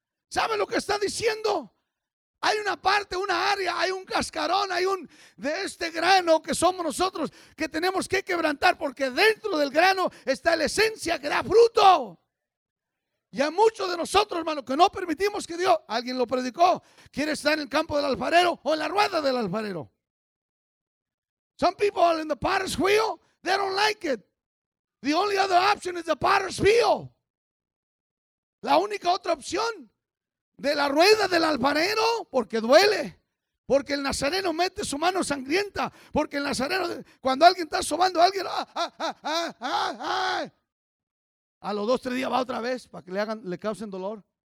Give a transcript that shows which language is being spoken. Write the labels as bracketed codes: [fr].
[es] ¿Sabe lo que está diciendo? Hay una parte, una área, hay un cascarón, hay un de este grano que somos nosotros que tenemos que quebrantar, porque dentro del grano está la esencia que da fruto. Y a muchos de nosotros, hermano, que no permitimos que Dios, alguien lo predicó, quiere estar en el campo del alfarero o en la rueda del alfarero. [en] Some people in the potter's wheel, they don't like it. The only other option is the potter's wheel. [es] La única otra opción de la rueda del alfarero, porque duele. Porque el nazareno mete su mano sangrienta. Porque el nazareno, cuando alguien está sobando a alguien, a los dos, tres días va otra vez para que le hagan, le causen dolor.